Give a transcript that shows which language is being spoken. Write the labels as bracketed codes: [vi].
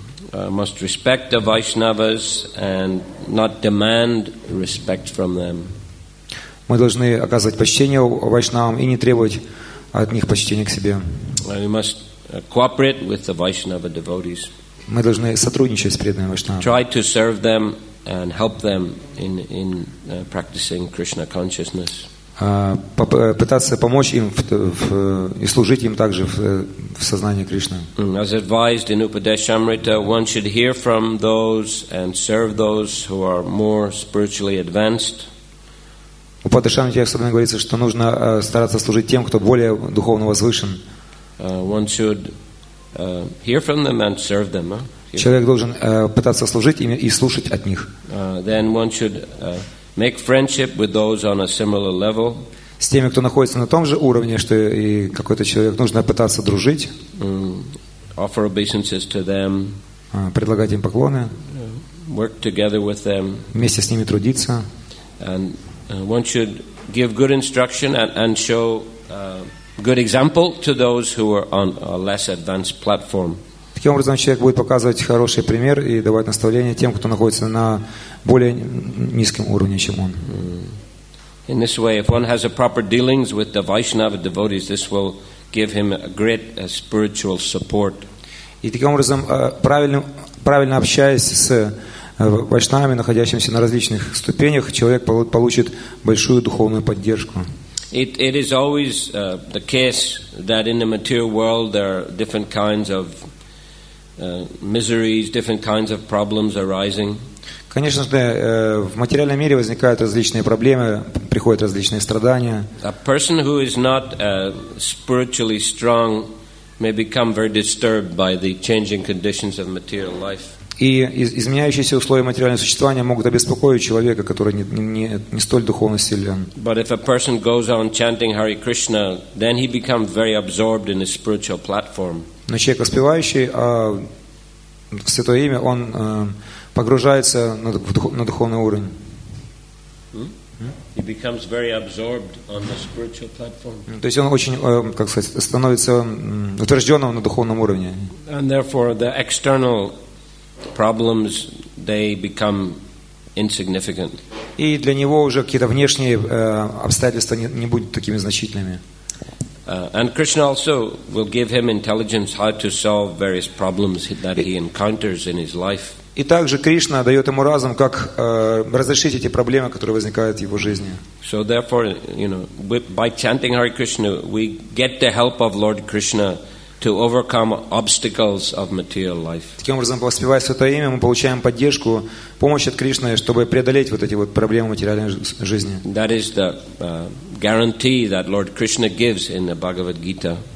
[en] Must respect the Vaishnavas and not demand respect from them. [ru] Мы должны оказывать почтение вайшнавам и не требовать от них почтения к себе. [en] Cooperate with the Vaishnava devotees. [ru] Мы должны сотрудничать с преданными вайшнавами. [en] Try to serve them and help them in practicing Krishna consciousness. [ru] Пытаться помочь им и служить им также в сознании Кришны. [en] As advised in Upadeshamrita, one should hear from those and serve those who are more spiritually advanced. [ru] В Упадешамрите особенно говорится, что нужно стараться служить тем, кто более духовно возвышен. [en] One should hear from them and serve them. [ru] Человек должен пытаться служить им и слушать от них. [en] Then one should make friendship with those on a similar level. [ru] С теми, кто находится на том же уровне, что и какой-то человек, нужно пытаться дружить. [en] Offer obeisances to them. [ru] Предлагать им поклоны. [en] Work together with them. [ru] Вместе с ними трудиться. [en] And one should give good instruction and show good example to those who are on a less advanced platform. [ru] Таким образом, человек будет показывать хороший пример и давать наставления тем, кто находится на более низком уровне, чем он. [en] In this way, if one has a proper dealings with the Vaishnava devotees, this will give him a great spiritual support. [ru] И таким образом, правильно общаясь с вайшнавами, находящимися на различных ступенях, человек получит большую духовную поддержку. [en] It is always the case that in the material world there are different kinds of miseries, different kinds of problems arising. [ru] Конечно же, в материальном мире возникают различные проблемы, приходят различные страдания. [en] A person who is not spiritually strong may become very disturbed by the changing conditions of material life. [ru] И изменяющиеся условия материального существования могут обеспокоить человека, который не столь духовно силен. [en] But if a person goes on chanting Hare Krishna, then he becomes very absorbed in his spiritual platform. [ru] Но человек, воспевающий святое имя, он погружается на духовный уровень. [en] He becomes very absorbed on the spiritual platform. [ru] То есть он очень, как сказать, становится утвержденным на духовном уровне. [en] And therefore the external problems, they become insignificant. [ru] И для него уже какие-то внешние обстоятельства не будут такими значительными. [en] And Krishna also will give him intelligence how to solve various problems that he encounters in his life. [ru] И также Кришна дает ему разум, как разрешить эти проблемы, которые возникают в его жизни. [en] So therefore, you know, by chanting Hare Krishna, we get the help of Lord Krishna to overcome obstacles of material life. [ru] Таким образом, воспевая святое имя, мы получаем поддержку, помощь от Кришны, чтобы преодолеть вот эти вот проблемы материальной жизни. [en] That is the guarantee that Lord Krishna gives in the Bhagavad Gita.